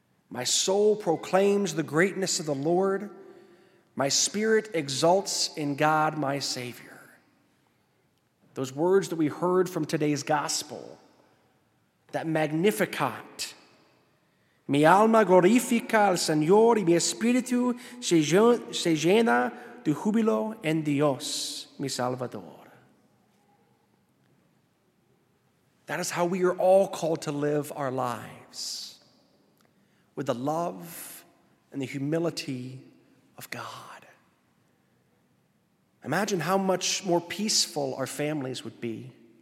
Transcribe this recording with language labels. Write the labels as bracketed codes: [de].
[en] My soul proclaims the greatness of the Lord. My spirit exults in God, my Savior. Those words that we heard from today's gospel, that Magnificat. [es] Mi alma glorifica al Señor y mi espíritu se llena de júbilo en Dios, mi Salvador. [en] That is how we are all called to live our lives. With the love and the humility of God. Imagine how much more peaceful our families would be.